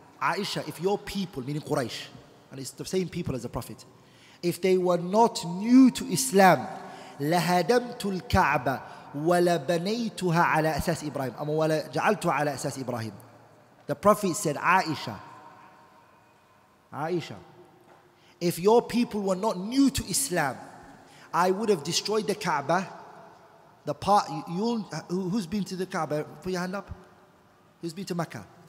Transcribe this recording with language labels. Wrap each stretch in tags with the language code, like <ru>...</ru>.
<en>Aisha, if your people, meaning Quraysh, and it's the same people as the Prophet, if they were not new to Islam,</en> <ar>لهدمت الكعبة ولبنيتها على أساس إبراهيم. أما ولجعلتها على أساس إبراهيم.</ar> <en>The Prophet said, Aisha, if your people were not new to Islam, I would have destroyed the Kaaba. The part, who's been to the Kaaba? Put your hand up. Who's been to Mecca?</en>